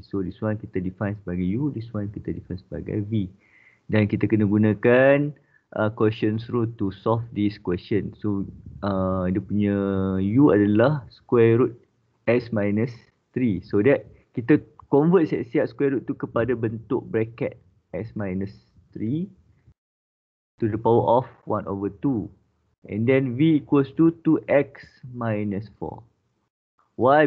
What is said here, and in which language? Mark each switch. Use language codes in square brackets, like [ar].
[en] So this one [ms] kita define sebagai [en] u, this one kita define sebagai v. [ms] Dan kita kena gunakan [en] quotient rule to solve this question. So [ms] dia punya u adalah [en] square root x minus 3. So that kita convert siap-siap square root [ms] tu kepada bentuk [en] bracket x minus 3 to the power of 1 over 2. And then v equals to 2x minus 4. Why?